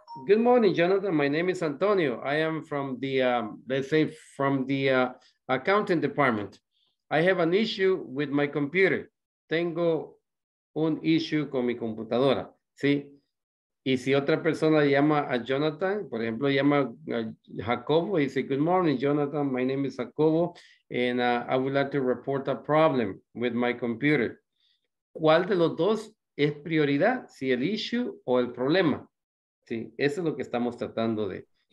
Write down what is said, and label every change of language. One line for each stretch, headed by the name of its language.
English: good morning, Jonathan. My name is Antonio. I am from the, accounting department. I have an issue with my computer.
Spanish: Tengo un issue con mi computadora. ¿Sí? Y si otra persona llama a Jonathan, por ejemplo, llama a Jacobo, y dice,
English: good morning, Jonathan. My name is Jacobo, and I would like to report a problem with my computer.
Spanish: ¿Cuál de los dos es prioridad? ¿Si el issue o el problema? Sí, eso es lo que estamos tratando de.